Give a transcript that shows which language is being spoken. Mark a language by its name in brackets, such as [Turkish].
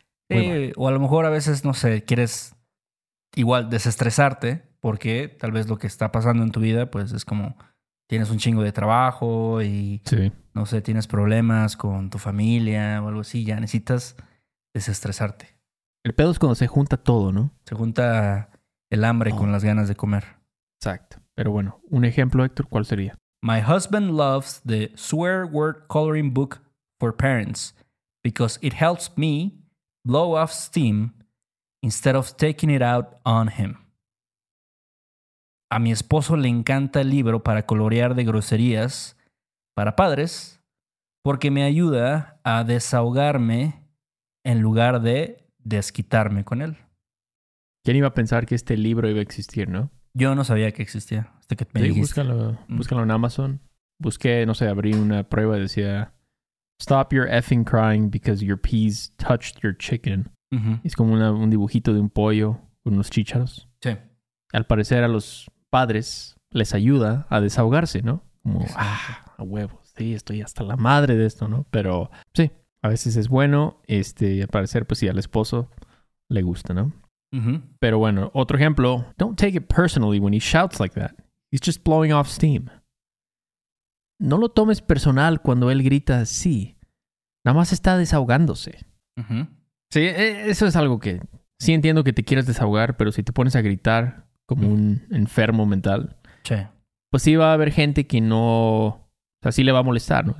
[Spanish] Sí, o a lo mejor a veces, no sé, quieres igual desestresarte porque tal vez lo que está pasando en tu vida pues es como tienes un chingo de trabajo y no sé, tienes problemas con tu familia o algo así, ya necesitas desestresarte. El pedo es cuando se junta todo, ¿no? Se junta el hambre con las ganas de comer. Exacto. Pero bueno, un ejemplo, Héctor, ¿cuál sería? [English] My husband loves the swear word coloring book for parents because it helps me blow off steam instead of taking it out on him. [Spanish] A mi esposo le encanta el libro para colorear de groserías para padres porque me ayuda a desahogarme en lugar de desquitarme con él. ¿Quién iba a pensar que este libro iba a existir, no? Yo no sabía que existía hasta que me dijiste. Búscalo en Amazon. Busqué, no sé, abrí una prueba y decía... [English] Stop your effing crying because your peas touched your chicken. [Spanish] Es como un dibujito de un pollo con unos chícharos. Sí. Al parecer a los padres les ayuda a desahogarse, ¿no? Como, a huevos. Sí, estoy hasta la madre de esto, ¿no? Pero sí, a veces es bueno. Y al parecer, pues sí, al esposo le gusta, ¿no? Pero bueno, otro ejemplo. [English] Don't take it personally when he shouts like that. He's just blowing off steam. [Spanish] No lo tomes personal cuando él grita así. Nada más está desahogándose. Sí, eso es algo que... Sí entiendo que te quieras desahogar, pero si te pones a gritar como un enfermo mental... Sí. Pues sí va a haber gente que no sea, sí le va a molestar, ¿no?